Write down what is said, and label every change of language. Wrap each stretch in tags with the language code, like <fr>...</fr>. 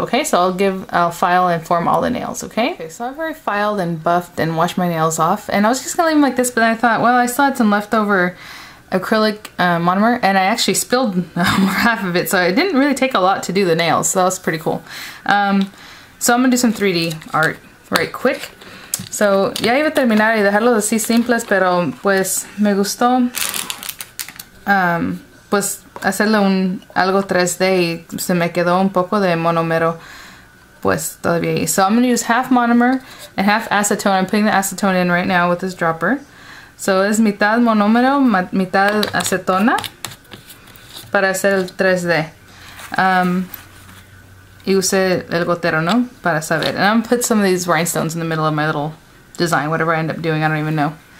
<en>Okay, so I'll file and form all the nails, okay? Okay, so I've already filed and buffed and washed my nails off. And I was just gonna leave them like this, but then I thought, well, I still had some leftover acrylic monomer, and I actually spilled half of it, so it didn't really take a lot to do the nails, so that was pretty cool. So I'm gonna do some 3D art right quick.</en> <es>So, ya iba a terminar y dejarlo así simples, pero pues me gustó. Pues hacerle un algo 3D y se me quedó un poco de monomero pues todavía ahí.</es> <en>So I'm going to use half monomer and half acetone. I'm putting the acetone in right now with this dropper.</en> <es>So es mitad monomero, mitad acetona para hacer el 3D. Y usé el gotero, ¿no? Para saber.</es> <en>And I'm going to put some of these rhinestones in the middle of my little design, whatever I end up doing, I don't even know.</en>